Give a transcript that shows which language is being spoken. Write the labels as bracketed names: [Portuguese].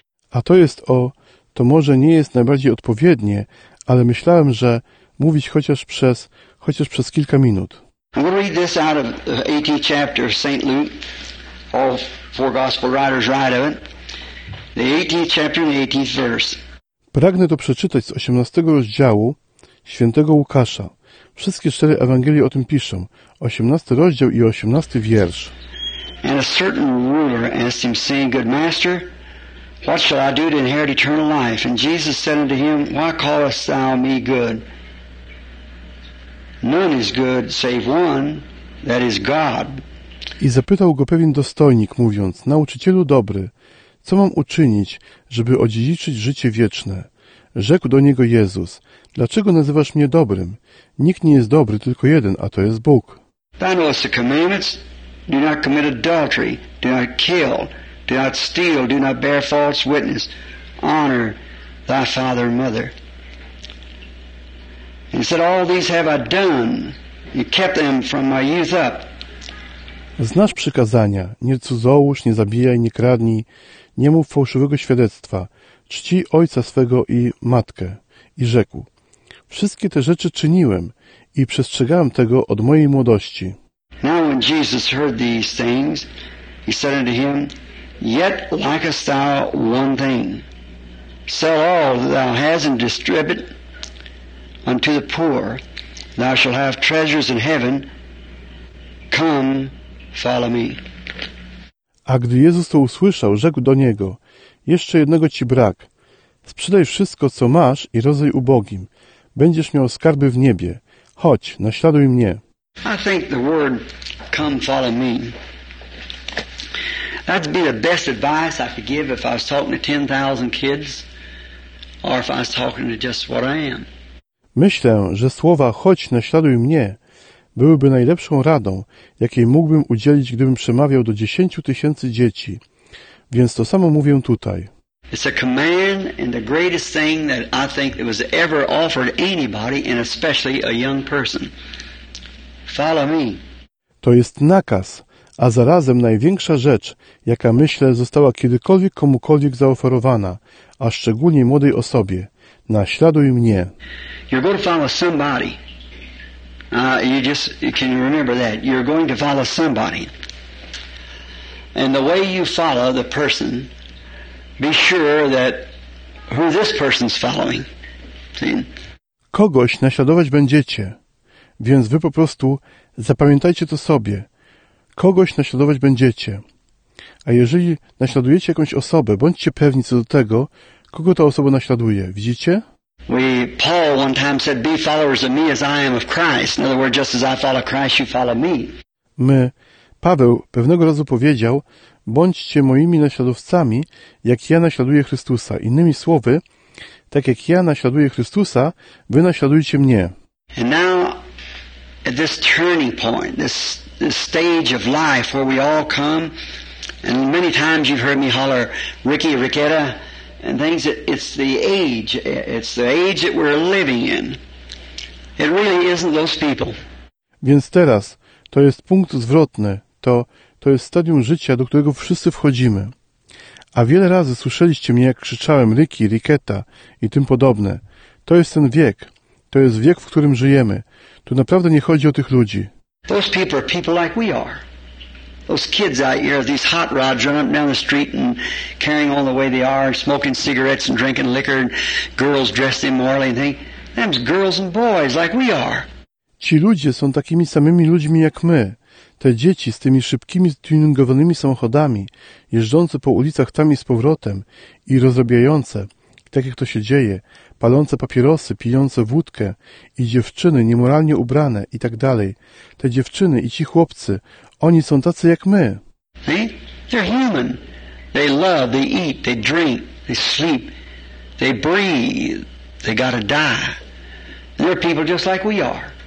[Polish] A to jest o, to może nie jest najbardziej odpowiednie, ale myślałem, że mówić chociaż przez kilka minut. [English] We'll read this out of the 18th chapter of St. Luke. All four gospel writers write of it. The 18th chapter and the 18th verse. [Polish] Pragnę to przeczytać z 18 rozdziału Świętego Łukasza. Wszystkie cztery Ewangelie o tym piszą. 18 rozdział i 18 wiersz. [English] And a certain ruler asked him, saying, Good master, what shall I do to inherit eternal life? And Jesus said unto him, Why callest thou me good? None is good save one, that is God. [Polish] I zapytał go pewien dostojnik, mówiąc, Nauczycielu dobry, co mam uczynić, żeby odziedziczyć życie wieczne? Rzekł do niego Jezus, Dlaczego nazywasz mnie dobrym? Nikt nie jest dobry, tylko jeden, a to jest Bóg. [English] Thou knowest the commandments, do not commit adultery, do not kill, do not steal, do not bear false witness, honor thy father and mother. He said, all these have I done, and kept them from my youth up. [Polish] Znasz przykazania, nie cudzołóż, nie zabijaj, nie kradnij, nie mów fałszywego świadectwa, czci ojca swego i matkę. I rzekł, wszystkie te rzeczy czyniłem i przestrzegałem tego od mojej młodości. [English] Now when Jesus heard these things, he said unto him, yet lackest thou one thing, sell all that thou hast and distribute unto the poor, thou shalt have treasures in heaven, come. Follow me. [Polish] A gdy Jezus to usłyszał, rzekł do niego, jeszcze jednego ci brak. Sprzedaj wszystko, co masz i rozdaj ubogim. Będziesz miał skarby w niebie. Chodź, naśladuj mnie. [English] I think the word come follow me. That'd be the best advice I could give if I was talking to 10,000 kids or if I was talking to just what I am. [Polish] Myślę, że słowa chodź, naśladuj mnie byłyby najlepszą radą, jakiej mógłbym udzielić, gdybym przemawiał do 10 tysięcy dzieci. Więc to samo mówię tutaj. [English] It's a command and the greatest thing that I think that was ever offered anybody, and especially a young person. Follow me. [Polish] To jest nakaz, a zarazem największa rzecz, jaka myślę została kiedykolwiek komukolwiek zaoferowana, a szczególnie młodej osobie. Naśladuj mnie. [English] You're going to follow somebody. Can you remember that? You're going to follow somebody. And the way you follow the person, be sure that who this person's following. See? [Polish] Kogoś naśladować będziecie. Więc wy po prostu zapamiętajcie to sobie. Kogoś naśladować będziecie. A jeżeli naśladujecie jakąś osobę, bądźcie pewni co do tego, kogo ta osoba naśladuje. Widzicie? [English] Paul one time said, be followers of me as I am of Christ. In other words, just as I follow Christ, you follow me. [Polish] Paweł pewnego razu powiedział, bądźcie moimi naśladowcami, jak ja naśladuję Chrystusa. Innymi słowy, tak jak ja naśladuję Chrystusa, wy naśladujcie mnie. [English] And now, at this turning point, this stage of life where we all come, and many times you've heard me holler, Ricky, Ricketta, and things, it's the age that we're living in. It really isn't those people. [Polish] Więc teraz, to jest punkt zwrotny, to jest stadium życia, do którego wszyscy wchodzimy. A wiele razy słyszeliście mnie, jak krzyczałem Ricky, Ricketta i tym podobne. To jest ten wiek, to jest wiek, w którym żyjemy. Tu naprawdę nie chodzi o tych ludzi. [English] Those people are people like we are. Those kids out here, these hot rods running up down the street and carrying on the way they are, smoking cigarettes and drinking liquor, and girls dressed immorally and things. Them's girls and boys like we are. [Polish] Ci ludzie są takimi samymi ludźmi jak my. Te dzieci z tymi szybkimi, tuningowanymi samochodami, jeżdżące po ulicach tam i z powrotem i rozrabiające, tak jak to się dzieje, palące papierosy, pijące wódkę i dziewczyny niemoralnie ubrane i tak dalej. Te dziewczyny i ci chłopcy, oni są tacy jak my. [English] They're human. They love, they eat, they drink, they sleep, they breathe, they gotta die. They're people just like we are.